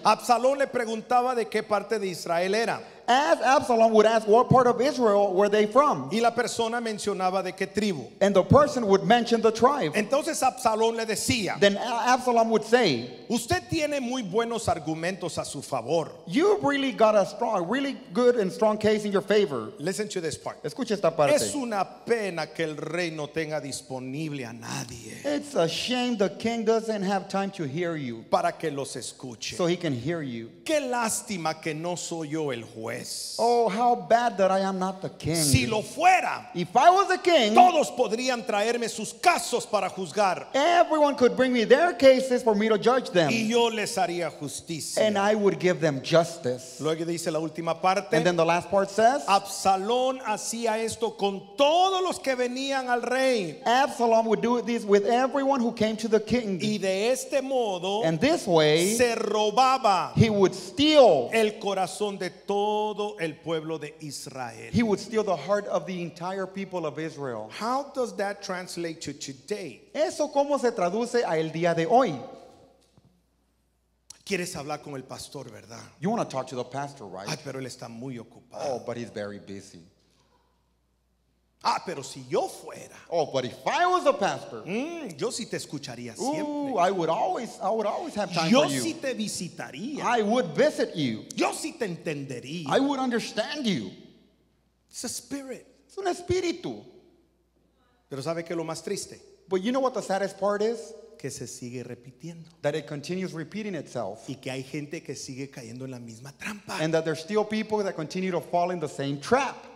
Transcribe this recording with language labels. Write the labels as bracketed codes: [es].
[es] Absalón le preguntaba de qué parte de Israel era. [en] As Absalom would ask, what part of Israel were they from? [es] Y la persona mencionaba de qué tribu. [en] And the person would mention the tribe. [es] Entonces Absalón le decía, [en] then Absalom would say, [es] usted tiene muy buenos argumentos a su favor. [en] You've really got a strong, really good and strong case in your favor. Listen to this part. [es] Escucha esta parte. Es una pena que el rey no tenga disponible a nadie. [en] It's a shame the king doesn't have time to hear you. [es] Para que los escuche. [en] So he can hear you. [es] Qué lástima que no soy yo el juez. [en] Oh, how bad that I am not the king. [es] Si lo fuera, [en] if I was the king, [es] todos podrían traerme sus casos para juzgar. [en] Everyone could bring me their cases for me to judge them. [es] Y yo les haría justicia. [en] And I would give them justice. [es] Luego dice la última parte. [en] And then the last part says, [es] Absalón hacía esto con todos los que venían al rey. [en] Absalom would do this with everyone who came to the king. [es] Y de este modo, [en] and this way, [es] se robaba, [en] he would steal, [es] el corazón de todos. Todo el pueblo de Israel. [en] He would steal the heart of the entire people of Israel. How does that translate to today? [es] ¿Eso cómo se traduce a el día de hoy? ¿Quieres hablar con el pastor, verdad? [en] You want to talk to the pastor, right? [es] Ay, pero él está muy ocupado. [en] Oh, but he's very busy. [es] Ah, pero si yo fuera. [en] Oh, but if I was a pastor. [es] Yo sí te escucharía siempre. [en] I would always have time [es] yo [en] for you. [es] Yo sí te visitaría. [en] I would visit you. [es] Yo sí te entendería. [en] I would understand you. It's a spirit. [es] Es un espíritu. Pero ¿sabe qué es lo más triste? [en] But you know what the saddest part is? [es] Que se sigue repitiendo. [en] That it continues repeating itself. [es] Y que hay gente que sigue cayendo en la misma trampa. [en] And that there's still people that continue to fall in the same trap.